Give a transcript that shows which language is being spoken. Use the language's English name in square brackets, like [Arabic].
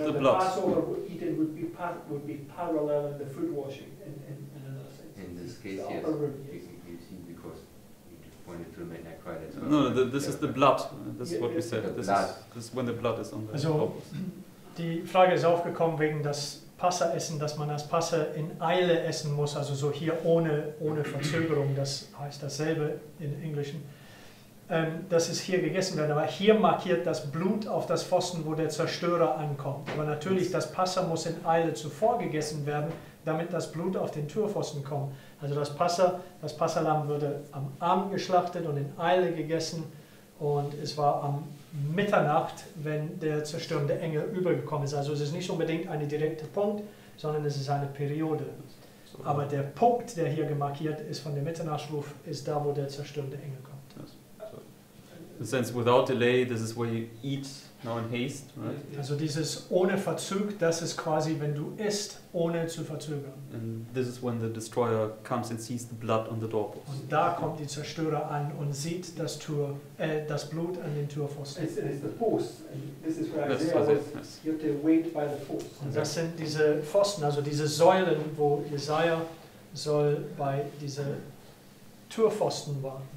[English] is the blood. The Passover eaten would be parallel in the food washing in another sense. In this case, the yes, you see, because you just pointed to the midnight cry. That's no, no, this is the blood. This is what we said. The this blood. Is this is when the blood is on the. [German] Also, die Frage ist aufgekommen wegen das. Passa essen, dass man das Passa in Eile essen muss, also so hier ohne Verzögerung, das heißt dasselbe in Englischen. Das ist hier gegessen werden, aber hier markiert das Blut auf das Pfosten, wo der Zerstörer ankommt. Aber natürlich, das Passa muss in Eile zuvor gegessen werden, damit das Blut auf den Türpfosten kommt. Also das Passalamm würde am Abend geschlachtet und in Eile gegessen. Und es war am Mitternacht, wenn der zerstörende Engel übergekommen ist. Also es ist nicht unbedingt ein direkter Punkt, sondern es ist eine Periode. Aber der Punkt, der hier gemarkiert ist von dem Mitternachtsruf, ist da, wo der zerstörende Engel kommt. [English] Since without delay, this is where you eat now in haste, right? [German] Also dieses ohne Verzug, das ist quasi, wenn du isst, ohne zu verzögern. [English] And this is when the destroyer comes and sees the blood on the doorpost. [German] Und da kommt die Zerstörer an und sieht das Tür, das Blut an den Türpfosten. [English] It's the post. This is where Isaiah was, yes. You have to wait by the post. [German] Und das sind diese Pfosten, also diese Säulen, wo Jesaja soll bei dieser Türpfosten war.